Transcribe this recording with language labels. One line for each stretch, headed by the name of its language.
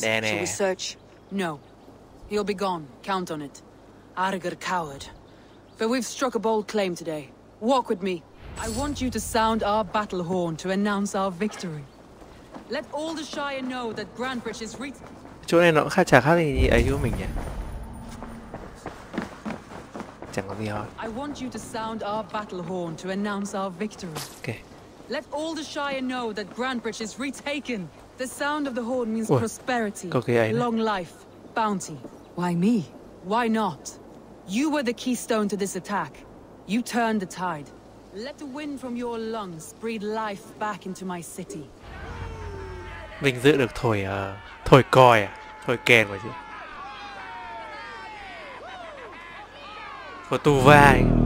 English: Shall we search? No. He'll be gone. Count on it. Arger coward. But we've struck a bold claim today. Walk with me. I want you to sound our battle horn to announce our victory. Let all the Shire know that Grandbridge is reached.
Vietnamese: Chỗ này nó khá chả khác gì ấy của mình nhỉ? Chẳng có gì hết.
English: I want you to sound our battle horn to announce our victory. Okay. Let all the Shire know that Grandbridge is retaken. The sound of the horn means prosperity, long life, bounty. Why me? Why not? You were the keystone to this attack. You turned the tide. Let the wind from your lungs breathe life back into my city.
Vietnamese: Vinh dự được thổi thổi còi à? Thổi kèn vào chứ. Thổi tù va.